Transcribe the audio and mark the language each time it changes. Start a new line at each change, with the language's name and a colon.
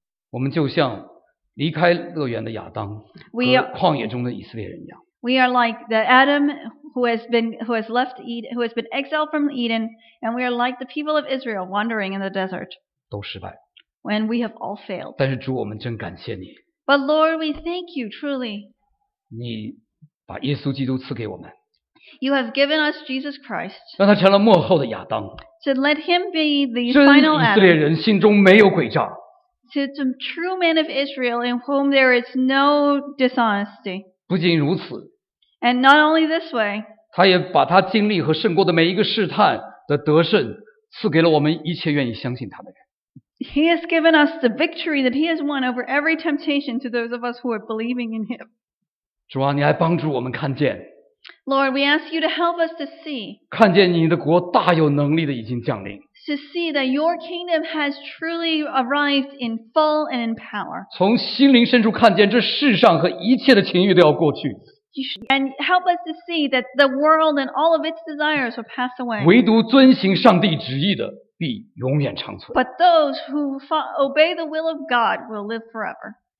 Chinese: 我们就像离开乐园的亚当和旷野中的以色列人一样。
English: We are like the Adam who has been exiled from Eden, and we are like the people of Israel wandering in the desert.
Chinese: 都失败。
English: When we have all failed.
Chinese: 但是主，我们真感谢你。
English: But Lord, we thank you truly.
Chinese: 你把耶稣基督赐给我们。
English: You have given us Jesus Christ.
Chinese: 让他成了末后的亚当。
English: So let him be the final Adam.
Chinese: 真以色列人心中没有诡诈。
English: To the true men of Israel in whom there is no dishonesty.
Chinese: 不仅如此。
English: And not only this way.
Chinese: 他也把他经历和胜过的每一个试探的得胜赐给了我们一切愿意相信他的人。
English: He has given us the victory that he has won over every temptation to those of us who are believing in him.
Chinese: 主啊，你还帮助我们看见。
English: Lord, we ask you to help us to see.
Chinese: 看见你的国大有能力的已经降临。
English: To see that your kingdom has truly arrived in full and in power.
Chinese: 从心灵深处看见这世上和一切的情欲都要过去。
English: And help us to see that the world and all of its desires will pass away.
Chinese: 唯独遵行上帝旨意的必永远长存。
English: But those who obey the will of God will live forever.